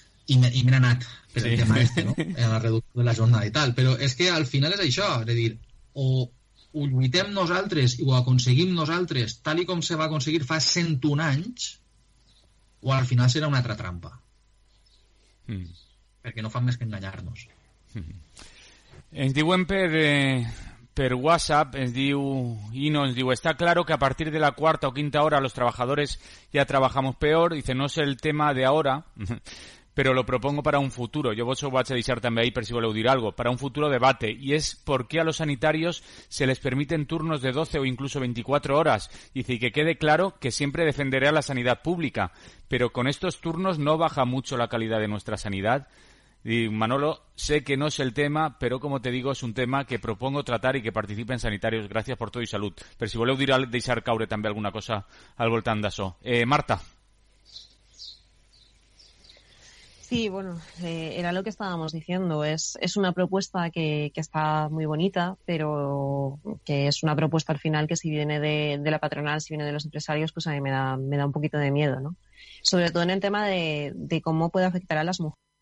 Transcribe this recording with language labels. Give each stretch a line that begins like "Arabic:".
Catalan: I m'he anat per el tema este, no? En la reducció de la jornada i tal, però és que al final és això, és a dir, o ho lluitem nosaltres i ho aconseguim nosaltres tal i com se va aconseguir fa 101 anys, o al final serà una altra trampa. Perquè no fan més que enganyar-nos. Ens diuen per WhatsApp, ens diu
Spanish: Ino, ens diu, está claro que a partir de la cuarta o quinta hora los trabajadores ya trabajamos peor. Dice, no sé el tema de ahora, pero lo propongo para un futuro. Yo vos os voy a deixar també ahí,
Catalan: per si voleu dir algo,
Spanish: para un futuro debate. Y es, ¿por qué a los sanitarios se les permiten turnos de 12 o incluso 24 horas? Dice, y que quede claro que siempre defenderé a la sanidad pública, pero con estos turnos no baja mucho la calidad de nuestra sanidad. Y Manolo, sé que no es el tema, pero como te digo, es un tema que propongo tratar y que participen sanitarios. Gracias por todo y salud.
Catalan: Pero si voleu dir deixar caure també alguna cosa al voltant d'això. Marta.
Spanish: Sí, bueno, era lo que estábamos diciendo. Es una propuesta que está muy bonita, pero que es una propuesta al final que si viene de la patronal, si viene de los empresarios, pues a mí me da un poquito de miedo, ¿no? Sobre todo en el tema de cómo puede afectar a las mujeres.